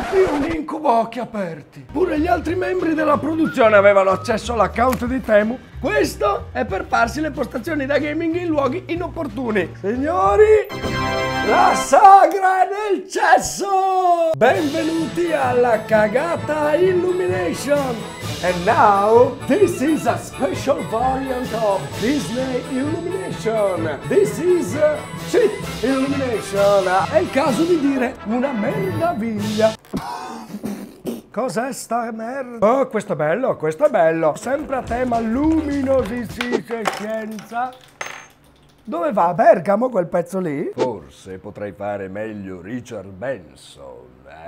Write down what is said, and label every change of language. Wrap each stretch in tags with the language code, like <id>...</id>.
<it>Un incubo occhi aperti. Pure gli altri membri della produzione avevano accesso all'account di Temu. Questo è per farsi le postazioni da gaming in luoghi inopportuni. Signori, la sagra è nel cesso. Benvenuti alla cagata Illumination.</it> <en>And now, this is a special variant of Disney Illumination. This is shit Illumination.</en> <it>È il caso di dire una meraviglia. Cos'è sta merda? Oh, questo è bello, questo è bello. Sempre a tema luminosissima e scienza. Dove va? Bergamo quel pezzo lì? Forse potrei fare meglio Richard Benson.</it>